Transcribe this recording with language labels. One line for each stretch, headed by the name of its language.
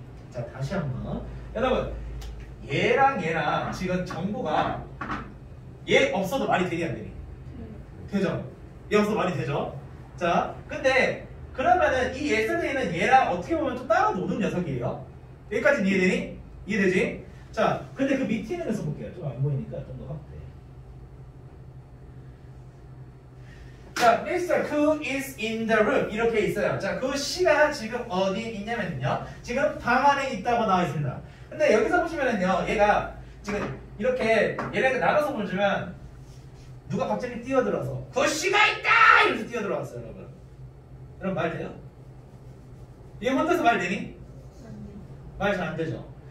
Korean: 자 다시 한번 여러분 얘랑 얘랑 지금 정보가 얘 없어도 말이 되니 안 되니? 되죠? 얘 없어도 말이 되죠? 자 근데 그러면은 이 yesterday는 얘랑 어떻게 보면 또 따로 노는 녀석이에요. 여기까지는 이해되니? 이해되지? 자 근데 그 밑에 있는 녀석 볼게요. 좀 안 보이니까 좀 더 확대.
English: 자 Mr. Ku is in the room
Korean: 이렇게 있어요. 자 그 씨가 지금 어디 있냐면요 지금 방 안에 있다고 나와 있습니다. 근데 여기서 보시면은요 얘가 지금 이렇게 얘네가 나가서 보시면 누가 갑자기 뛰어들어서 그 씨가 있다! 이렇게 뛰어들어왔어요. 여러분 여러분 말 돼요? 얘 혼자서 말 되니? 말 잘 안 되죠.